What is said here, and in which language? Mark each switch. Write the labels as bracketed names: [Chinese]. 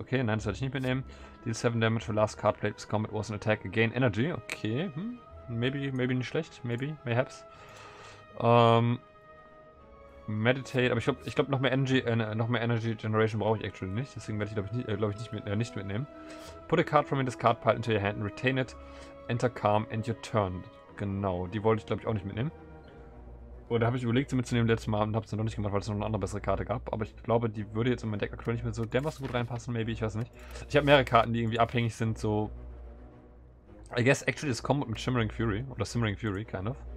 [German] Okay, nein, das werde ich nicht mitnehmen. [English] Deal 7 Damage for last card played this combat was an attack. Gain Energy. Okay. [German] Maybe nicht schlecht. Maybe. Mayhaps. [English] Meditate. [German] Aber ich glaube noch mehr Energy Generation brauche ich actually nicht. Deswegen werde ich, glaube ich, nicht mitnehmen. [English] Put a card from your discard pile into your hand and retain it. Enter Calm and your turn. Genau. [German] Die wollte ich, glaube ich, auch nicht mitnehmen. Oder habe ich überlegt, sie mitzunehmen letztes Mal und habe es dann noch nicht gemacht, weil es noch eine andere bessere Karte gab. Aber ich glaube, die würde jetzt in mein Deck aktuell nicht mehr so dermaßen gut reinpassen, maybe, ich weiß nicht. Ich habe mehrere Karten, die irgendwie abhängig sind, so. [English] I guess actually [German] das kommt mit Shimmering Fury oder Simmering Fury, kind of.